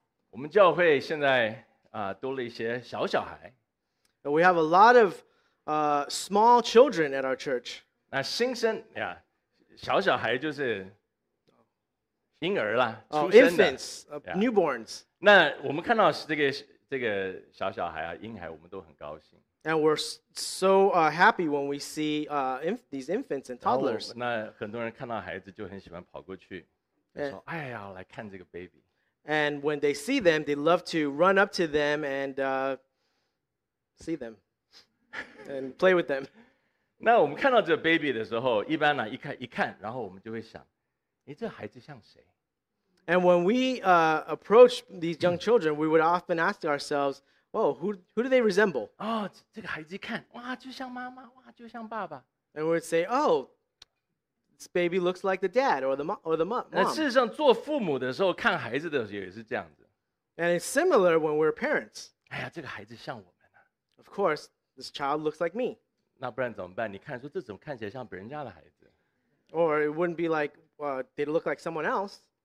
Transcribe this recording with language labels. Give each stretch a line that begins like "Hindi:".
Chinese: 我们教会现在多了一些小小孩。
English: We have a lot of small children at our church.
Chinese: 那新生小小孩就是婴儿啦，出生的。
English: Infants, newborns.
Chinese: 那我们看到这个小小孩啊，婴孩，我们都很高兴。
English: And we're so happy when we see these infants and toddlers.
Chinese: 那很多人看到孩子就很喜欢跑过去，说：“哎呀，来看这个 baby。”
English: And when they see them, they love to run up to them and see them and play with them.
Chinese: 那我们看到这个 baby 的时候，一般呢一看，然后我们就会想：“哎，这孩子像谁？”
English: And when we approach these young children, we would often ask ourselves. Whoa, who do they resemble?
Chinese: Oh, 这个孩子看，哇，就像妈妈，哇，就像爸爸。
English: And we'd say, oh, this baby looks like the dad or the mom.
Chinese: 那事实上，做父母的时候看孩子的时候也是这样子。
English: And it's similar when we're parents.
Chinese: 哎呀，这个孩子像我们啊。
English: Of course, this child looks like me.
Chinese: 那不然怎么办？你看，说这怎么看起来像别人家的孩子
English: ？Or it wouldn't be like, they look like someone else.